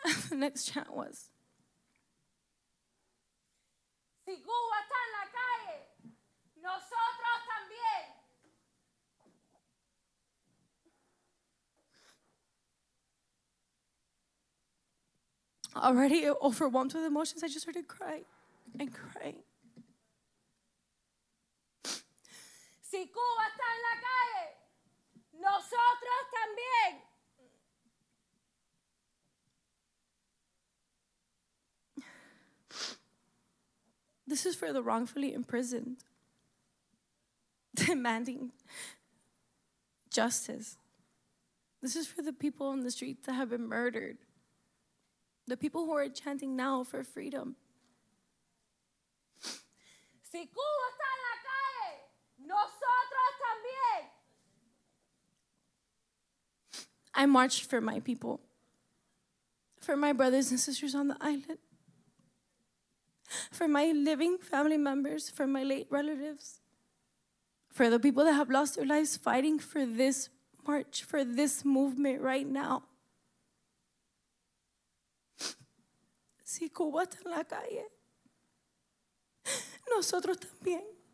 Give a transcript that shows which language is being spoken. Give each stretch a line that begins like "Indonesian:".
Spanish: The next chant was, "Si Cuba está en la calle, nosotros también."
English: Already overwhelmed with emotions, I just started crying and crying.
Spanish: "Si Cuba está en la calle, nosotros también."
English: This is for the wrongfully imprisoned, demanding justice. This is for the people on the streets that have been murdered. The people who are chanting now for freedom.
Spanish: "Si Cuba está en la calle, nosotros también."
English: I marched for my people, for my brothers and sisters on the island, for my living family members, for my late relatives, for the people that have lost their lives fighting for this march, for this movement right now.
Spanish: "Si Cuba está en la calle, nosotros también."